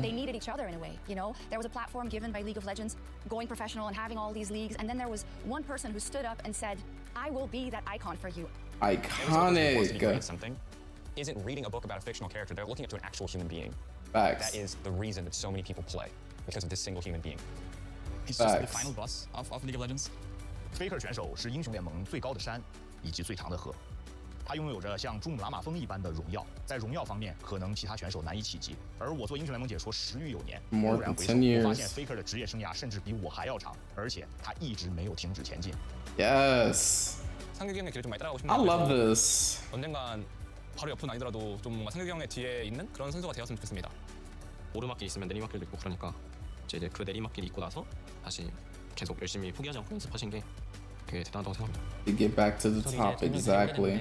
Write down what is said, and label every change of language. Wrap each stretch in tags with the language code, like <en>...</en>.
<en>They needed each other in a way, you know? There was a platform given by League of Legends, going professional and having all these leagues, and then there was one person who stood up and said, I will be that icon for you. Iconic. Isn't reading a book about a fictional character, they're looking up to an actual human being. Facts. That is the reason that so many people play, because of this single human being. He's just the final boss of League of Legends.</en> <zh>Faker 选手是英雄联盟最高的山，以及最长的河。他拥有着像珠穆朗玛峰一般的荣耀，在荣耀方面，可能其他选手难以企及。而我做英雄联盟解说十余有年，蓦然回首，我发现 Faker 的职业生涯甚至比我还要长，而且他一直没有停止前进。</zh> <en>Yes.</en> <ko>상규 형의 길을 좀 많이 따라가고 싶네요.</ko> <en>I love this.</en> <ko>언젠간 바로 옆은 아니더라도 좀 뭔가 상규 형의 뒤에 있는 그런 선수가 되었으면 좋겠습니다. 오르막길 있으면 내리막길도 있고 그러니까 이제 그 내리막길이 있고 나서 다시 계속 열심히 포기하지 않고 연습하신 게.</ko> <en>To get back to the top, exactly.</en>